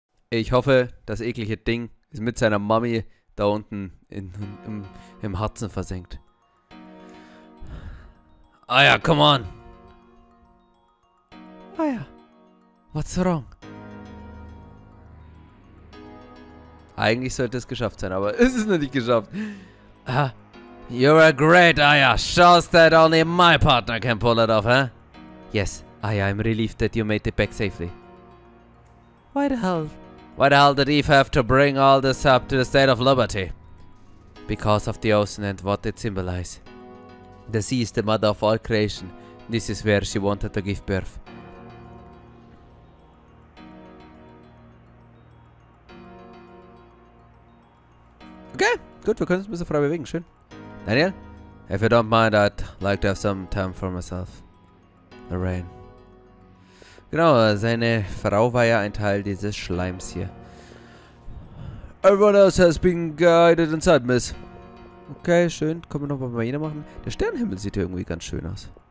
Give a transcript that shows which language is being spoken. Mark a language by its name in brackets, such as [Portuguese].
[German] Ich hoffe, das eklige Ding ist mit seiner Mami da unten im Herzen versenkt. [English] Aya, come on! Aya, what's wrong? [German] Eigentlich sollte es geschafft sein, aber ist es noch nicht geschafft. [English] You're a great Aya. Shows that only my partner can pull it off, huh? Yes, Aya, I'm relieved that you made it back safely. Why the hell did Eve have to bring all this up to the State of Liberty? Because of the ocean and what it symbolizes. The sea is the mother of all creation. This is where she wanted to give birth. [German] Okay, gut, wir können uns ein bisschen frei bewegen, schön. [English] Daniel, if you don't mind, I'd like to have some time for myself. Lorraine. [German] Genau, seine Frau war ja ein Teil dieses Schleims hier. [English] Everyone else has been guided inside, miss. [German] Okay, schön. Können wir noch mal jeder machen? Der Sternenhimmel sieht irgendwie ganz schön aus.